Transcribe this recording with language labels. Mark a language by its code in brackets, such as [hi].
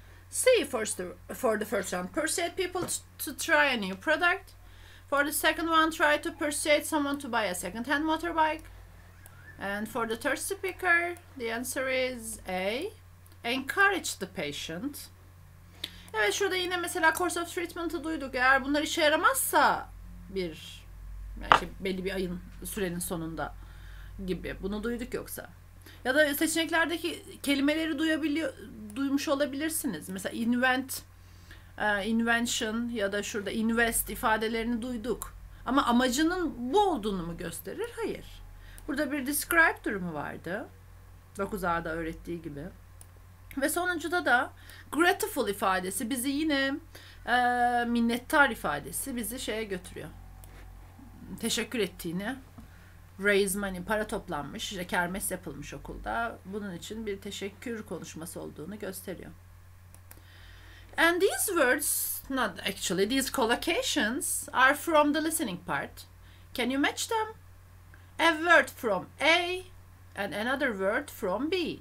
[en] C for the first one, persuade people to try a new product. For the second one, try to persuade someone to buy a second-hand motorbike. And for the third speaker, the answer is A, encourage the patient. [tr] Evet, şurada yine mesela [en] course of treatment'ı [tr] duyduk. Eğer bunlar işe yaramazsa bir işte belli bir ayın sürenin sonunda gibi. Bunu duyduk yoksa. Ya da seçeneklerdeki kelimeleri duymuş olabilirsiniz. Mesela invent, invention ya da şurada invest ifadelerini duyduk. Ama amacının bu olduğunu mu gösterir? Hayır. Burada bir describe durumu vardı. 9A'da öğrettiği gibi. Ve sonuncuda da grateful ifadesi bizi yine minnettar ifadesi bizi şeye götürüyor. Teşekkür ettiğini, [en] raise money, [tr] para toplanmış, işte kermes yapılmış okulda. Bunun için bir teşekkür konuşması olduğunu gösteriyor. [en] And these words, not actually, these collocations are from the listening part. Can you match them? A word from A and another word from B.